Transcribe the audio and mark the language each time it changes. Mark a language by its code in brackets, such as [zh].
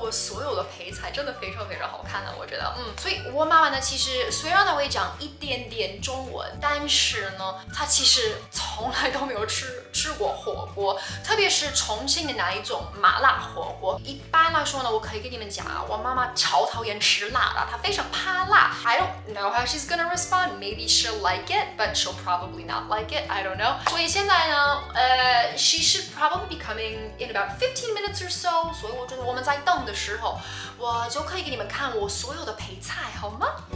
[zh] 哎呦，我所有的配菜真的非常非常好看的，我觉得，所以我妈妈呢，其实虽然她会讲一点点中文，但是呢，她其实从来都没有吃过火锅，特别是重庆的那一种麻辣火锅。一般来说呢，我可以跟你们讲啊，我妈妈超讨厌吃辣的，她非常怕辣。 [en] I don't know how she's gonna respond. Maybe she'll like it, but she'll probably not like it. I don't know. [zh] 所以现在呢， [en] she should probably be coming in about 15 minutes or so. [zh] 所以我觉得我们在等的时候，我就可以给你们看我所有的配菜，好吗？